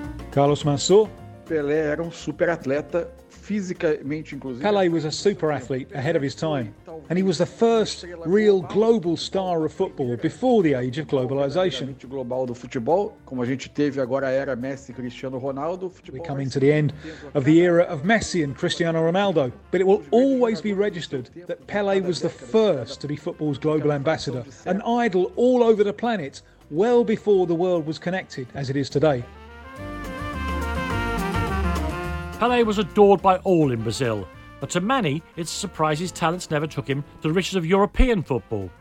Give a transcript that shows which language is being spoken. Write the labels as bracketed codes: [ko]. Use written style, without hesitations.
[en] Carlos Mansour. [pt] Pelé era um super atleta, fisicamente inclusive. [en] Pelé was a super athlete ahead of his time, and he was the first real global star of football before the age of globalization. [pt] Global do futebol, como a gente teve agora a era Messi, Cristiano Ronaldo. [en] We're coming to the end of the era of Messi and Cristiano Ronaldo, but it will always be registered that Pelé was the first to be football's global ambassador, an idol all over the planet, well before the world was connected as it is today. Pelé was adored by all in Brazil, but to many, it's a surprise his talents never took him to the riches of European football.